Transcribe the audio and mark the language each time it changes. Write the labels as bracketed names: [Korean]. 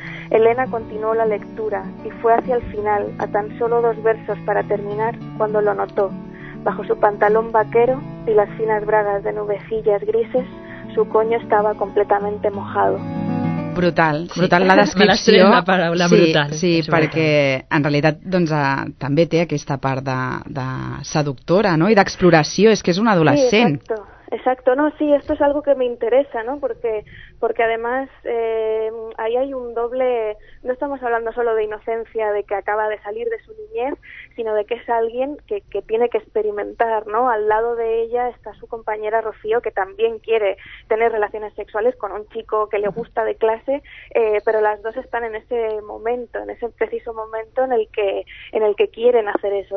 [Spanish] Elena continuó la lectura y fue hacia el final, a tan solo dos versos para terminar, cuando lo notó. Bajo su pantalón vaquero y las finas bragas de nubecillas grises, su coño estaba completamente mojado. [Catalan] Brutal, brutal, sí. La descripció. La paraula, sí, brutal. Sí, perquè brutal. En realitat doncs, també té aquesta part de seductora, ¿no?, i d'exploració, és que és un adolescent. [Spanish] Sí, exacto, no, sí, esto es algo que me interesa, ¿no? Porque además ahí hay un doble, no estamos hablando solo de inocencia, de que acaba de salir de su niñez, sino de que es alguien que tiene que experimentar, ¿no? Al lado de ella está su compañera Rocío, que también quiere tener relaciones sexuales con un chico que le gusta de clase, pero las dos están en ese momento, en ese preciso momento en el que quieren hacer eso.